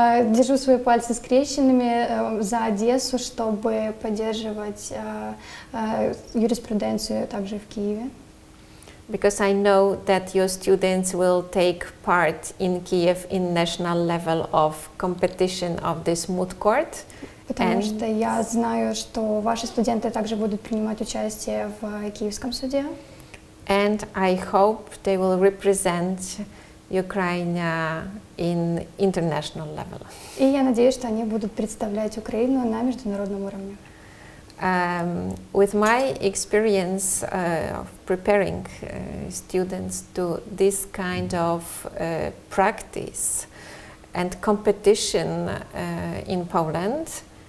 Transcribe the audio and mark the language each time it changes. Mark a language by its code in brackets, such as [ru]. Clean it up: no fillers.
[ru] Держу свои пальцы скрещенными за Одессу, чтобы поддерживать юриспруденцию также в Киеве. [en] Because I know that your students will take part in Kiev in national level of competition of this moot court. [ru] Потому что я знаю, что ваши студенты также будут принимать участие в Киевском суде. [en] And I hope they will represent Ukraine in international level. [ru] И я надеюсь, что они будут представлять Украину на международном уровне. [en] With my experience of preparing students to this kind of practice and competition in Poland.